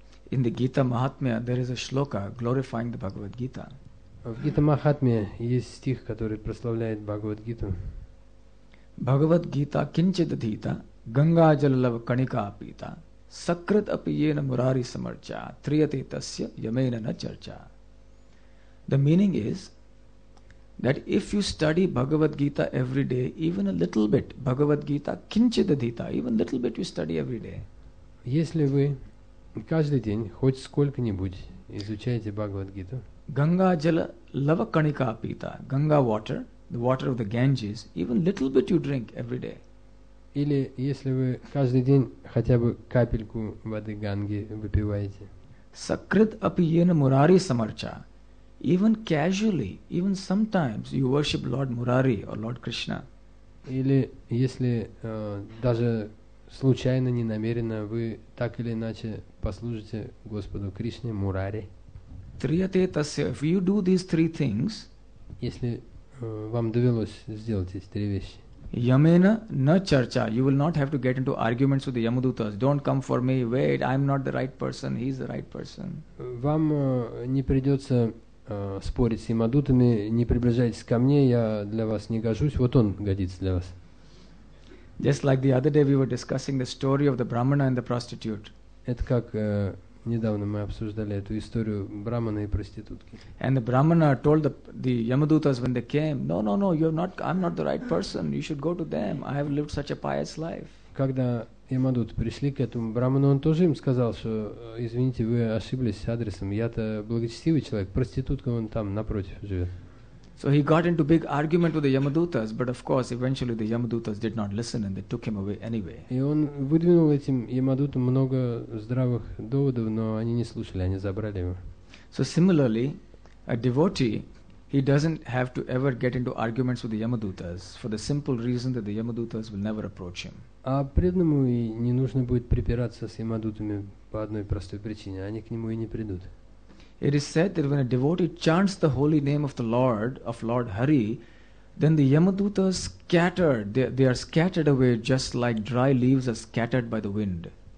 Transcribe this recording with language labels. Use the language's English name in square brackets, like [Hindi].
[English] In the Gita Mahatmya, there is a shloka glorifying the Bhagavad Gita. [Russian] В Гита Махатме есть стих, который прославляет Бхагавад Гиту. [Sanskrit] Бхагавад Гита кинчит дхита, Ганга джалла каника апита, сакрат апи ена мурари самарча, триати тасья ямена на чарча. [English] The meaning is that if you study Bhagavad Gita every day, even a little bit, Bhagavad Gita [Sanskrit] кинчит дхита, [English] even little bit you study every day. [Russian] Если вы каждый день, хоть сколько-нибудь, изучаете Бхагавад Гиту, [Sanskrit] Ганга джала лава каника апита, [English] Ганга water, the water of the Ganges, even little bit you drink every day. [Russian] Или если вы каждый день хотя бы капельку воды Ганги выпиваете. [Sanskrit] Сакрит апи ена мурари самарча, [English] even casually, even sometimes you worship Lord Murari or Lord Krishna. [Russian] Или если даже случайно, не намеренно, вы так или иначе послужите Господу Кришне Мурари. [Sanskrit] Триате тасе. [English] If you do these three things, [Russian] если вам довелось сделать эти три вещи, [Sanskrit] ямена на чарча, [English] you will not have to get into arguments with the Yamadutas. Don't come for me. Wait, I'm not the right person. He's the right person. [Russian] Вам не придется спорить с Ямадутами. Не приближайтесь ко мне. Я для вас не гожусь. Вот он годится для вас. [English] Just like the other day, we were discussing the story of the Brahmana and the prostitute. [Russian] Это как недавно мы обсуждали эту историю брахмана и проститутки. [English] And the brahmana told the yamadutas when they came, no, you're not, I'm not the right person. You should go to them. I have lived such a pious life. [Russian] Когда ямадуты пришли к этому брахману, он тоже им сказал, что извините, вы ошиблись с адресом. Я-то благочестивый человек. Проститутка вон там напротив живет. [English] So he got into big argument with the Yamadutas, but of course, eventually the Yamadutas did not listen and they took him away anyway. [Russian] И он выдвинул этим Ямадутам много здравых доводов, но они не слушали, они забрали его. [English] So similarly, a devotee, he doesn't have to ever get into arguments with the Yamadutas for the simple reason that the Yamadutas will never approach him. [Russian] А преданному и не нужно будет препираться с Ямадутами по одной простой причине, они к нему и не придут. [English] It is said that when a devotee chants the holy name of the Lord, of Lord Hari, then the Yamadutas scatter, they are scattered away just like dry leaves are scattered by the wind.